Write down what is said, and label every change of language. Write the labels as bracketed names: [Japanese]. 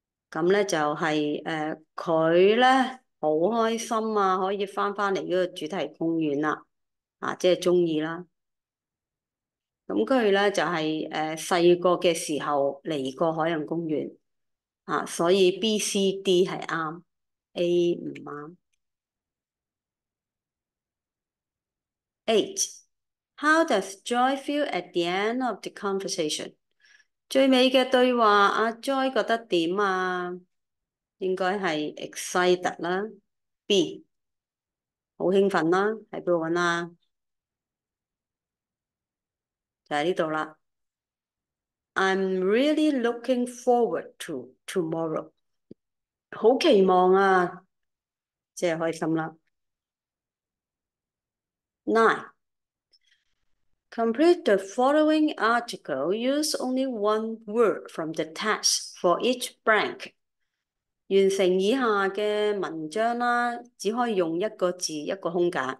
[Cantonese] 咁咧就系、佢咧好开心啊，可以翻返嚟呢个主题公园啦，啊，即系中意啦。咁佢咧就系、细个嘅时候嚟过海洋公园，啊，所以 B、C、D 系啱，A 唔啱。 H。 [English] How does Joy feel at the end of the conversation？ [Cantonese] 最尾嘅对话，阿 Joy 觉得点啊？应该系 excited 啦，B 好兴奋啦，喺边度揾啊？就喺呢度啦。 [English] I'm really looking forward to tomorrow， [Cantonese] 好期望啊，即系开心啦。 [English] Nine。 Complete the following article. Use only one word from the text for each blank. [Cantonese] 完成以下嘅文章啦，只可以用一个字一个空格。